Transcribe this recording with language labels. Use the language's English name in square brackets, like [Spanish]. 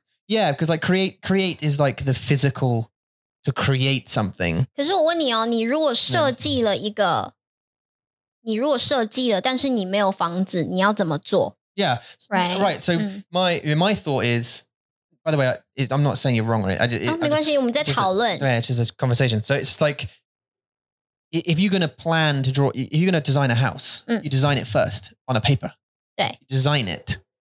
[English] Yeah, because like create is like the physical to create something. [Chinese] 可是我问你哦，你如果设计了一个，你如果设计了，但是你没有房子，你要怎么做？ [English] Yeah, right. Right. So my thought is, by the way, I'm not saying you're wrong on it. [Chinese] 没关系，我们在讨论。 [English] Yeah, it's just a conversation. So it's like. If you're going to plan to draw, if you're going to design a house, you design it first on a paper. You design it.